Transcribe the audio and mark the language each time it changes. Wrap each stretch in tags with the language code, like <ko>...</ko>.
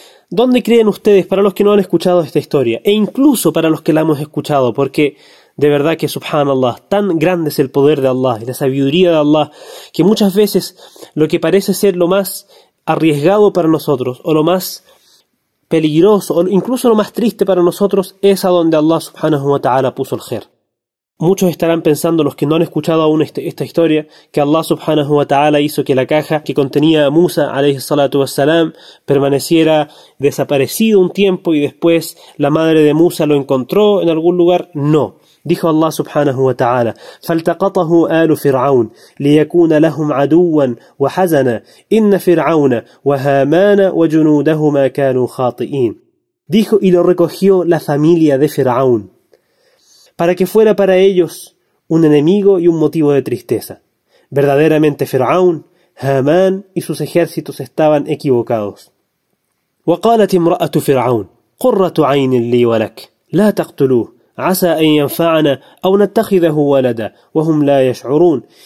<es>¿Dónde creen ustedes, para los que no han escuchado esta historia, e incluso para los que la hemos escuchado, porque de verdad que subhanallah, tan grande es el poder de Allah y la sabiduría de Allah, que muchas veces lo que parece ser lo más arriesgado para nosotros, o lo más peligroso, o incluso lo más triste para nosotros, es a donde Allah subhanahu wa ta'ala puso el khair? Muchos estarán pensando, los que no han escuchado aún esta historia, que Allah subhanahu wa ta'ala hizo que la caja que contenía a Musa alayhi salatu wassalam permaneciera desaparecido un tiempo y después la madre de Musa lo encontró en algún lugar. No. Dijo</es> <ar>Allah subhanahu wa ta'ala, فَالْتَقَطَهُ آلُ فِرْعَوْنَ لِيَكُونَ لَهُمْ عَدُوًّا وَحَزَنًا إِنَّ فِرْعَوْنَ وَهَامَانَ وَجُنُودَهُمَا كَانُوا خَاطِئِينَ.</ar> <es>Dijo, y lo recogió la familia de Firaún, para que fuera para ellos un enemigo y un motivo de tristeza. Verdaderamente Firaún, Hamán y sus ejércitos estaban equivocados.</es> <ar>وَقَالَتِ امْرَأَةُ فِرْعَوْنَ قُرَّةُ عَيْنٍ لِي وَلَكَ لَا تَقْتُلُوهُ عَسَىٰ أَنْ يَنْفَعَنَا أَوْ نَتَّخِذَهُ وَلَدًا وَهُمْ لَا يَشْعُرُونَ.</ar>